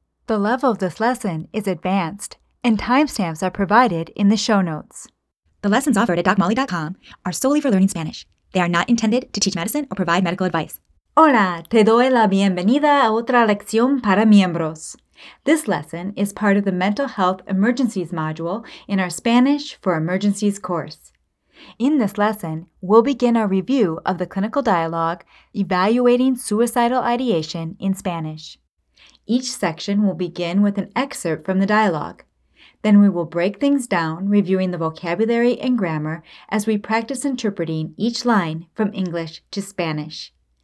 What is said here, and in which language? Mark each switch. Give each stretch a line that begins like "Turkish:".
English: The level of this lesson is advanced, and timestamps are provided in the show notes. The lessons offered at DocMolly.com are solely for learning Spanish. They are not intended to teach medicine or provide medical advice.
Spanish: Hola, te doy la bienvenida a otra lección para miembros.
English: This lesson is part of the Mental Health Emergencies module in our Spanish for Emergencies course. In this lesson, we'll begin our review of the clinical dialogue, Evaluating Suicidal Ideation in Spanish. Each section will begin with an excerpt from the dialogue. Then we will break things down, reviewing the vocabulary and grammar as we practice interpreting each line from English to Spanish.